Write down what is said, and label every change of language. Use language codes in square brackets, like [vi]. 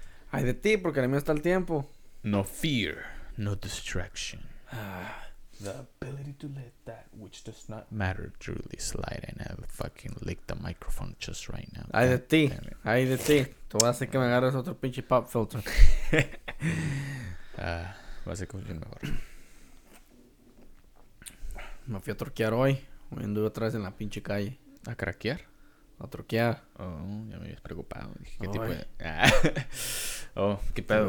[es] Ay de ti, porque el mío está el tiempo. [en] No fear, no distraction. The ability to let that which does not matter truly slide. And I fucking licked the microphone just right now. [es] Ay de ti, ay de ti. Tú vas a hacer que me agarres otro pinche pop filter. Vas a cumplir mejor. Me fui a troquear hoy. Me anduve otra vez en la pinche calle. ¿A craquear? A troquear. Oh, ya me habías preocupado. Dije, ¿qué tipo de...? Oh, ¿qué pedo?